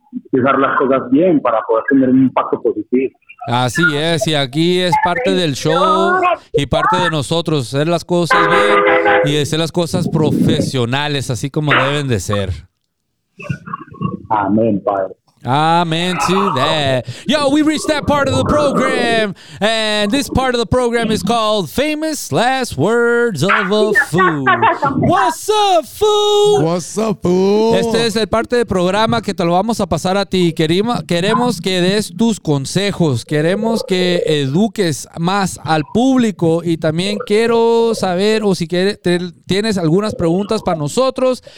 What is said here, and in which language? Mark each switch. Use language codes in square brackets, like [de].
[es] Usar las cosas bien para poder tener un impacto positivo. Así es, y aquí es parte del show y parte de nosotros hacer las cosas bien y hacer las cosas profesionales, así como deben de ser. Amén, Padre. [en] Amen to that. Yo, we reached that part of the program, and this part of the program is called Famous Last Words of a Fool. What's up, fool? What's up, fool? [es] Este es el parte del programa que te lo vamos a pasar a ti. Queremos que des tus consejos. Queremos que eduques más al público. Y también quiero saber, o si tienes algunas preguntas para nosotros.